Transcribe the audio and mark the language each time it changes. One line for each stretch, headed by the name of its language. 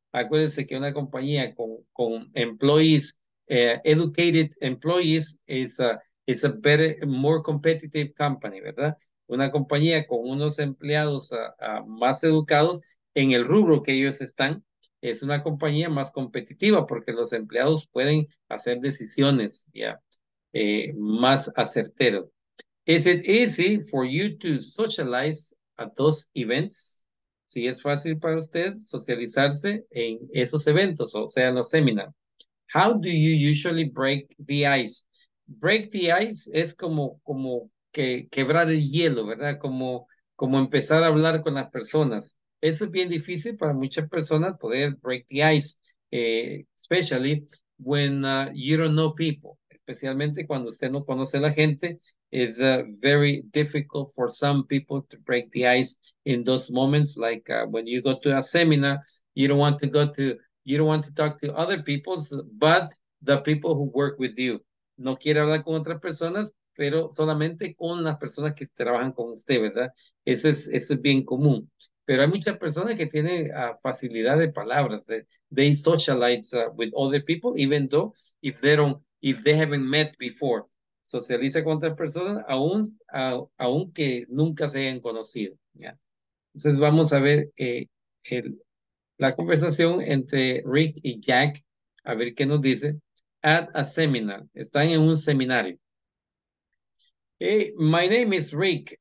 Spanish: Acuérdense que una compañía con
English: employees, educated employees is a better, more competitive company,
Spanish: ¿verdad? Una compañía con unos empleados más educados en el rubro que ellos están, es una compañía más competitiva porque los empleados pueden hacer decisiones ya más acertero.
English: Is it easy for you to socialize at those events?
Spanish: Si es fácil para usted socializarse en esos eventos, o sea, en los seminars.
English: How do you usually break the ice? Break the ice
Spanish: es como que quebrar el hielo, ¿verdad? Como empezar a hablar con las personas. Eso es bien difícil para muchas personas poder
English: break the ice, especially when you don't know people.
Spanish: Especialmente cuando usted no conoce a la gente,
English: is very difficult for some people to break the ice in those moments. Like when you go to a seminar, you don't want to talk to other people, but the people who work with you.
Spanish: No quiere hablar con otras personas, pero solamente con las personas que trabajan con usted, ¿verdad? Eso es bien común. Pero hay muchas personas que tienen facilidad de palabras.
English: They socialize with other people, even though if they haven't met before.
Spanish: socializa con otras personas, aunque nunca se hayan conocido. ¿Ya? Entonces vamos a ver la conversación entre Rick y Jack, a ver qué nos dice.
English: At a seminar,
Spanish: están en un seminario.
English: Hey, my name is Rick.